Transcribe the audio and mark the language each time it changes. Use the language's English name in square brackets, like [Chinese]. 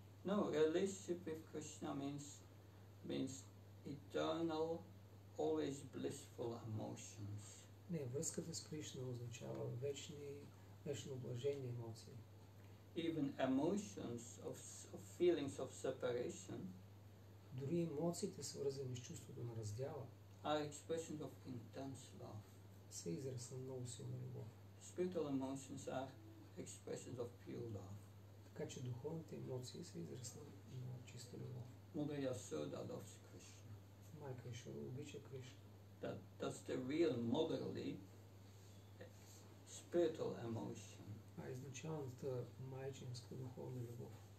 [English] No, relationship with Krishna means eternal, always blissful emotions. [Bulgarian] Не, връзката с Кришна означава вечно блажени емоции. [English] Even emotions of feelings of separation. [Bulgarian] Дори емоциите, свързани с чувството на раздяла, [English] are expressions of intense love. [Bulgarian] Са израз на много силна любов. [English] Spiritual emotions are expressions of pure love. [Bulgarian] Така че духовните емоции са израз на чиста любов. [English] Mother Yasoda loves Krishna. [Bulgarian] Майка Йошода обича Кришна. [English] That's the real motherly spiritual emotion. [Bulgarian] А изначалната майчинска духовна любов.